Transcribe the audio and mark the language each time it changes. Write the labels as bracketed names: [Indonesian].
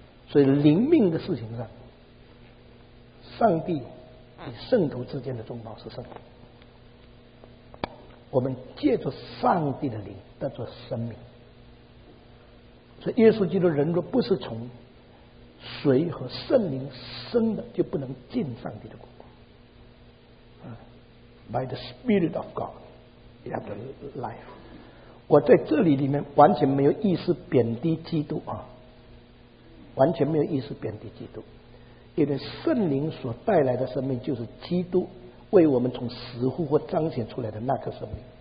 [Chinese] 所以灵命的事情上，上帝与圣徒之间的中保是圣徒，我们借着上帝的灵得着生命。所以耶稣基督人若不是从水和圣灵生的，就不能进上帝的国。 [English] By the Spirit of God, you have the life. [Chinese] 我在这里里面完全没有意思贬低基督啊，完全没有意思贬低基督，因为圣灵所带来的生命就是基督为我们从死乎或彰显出来的那个生命。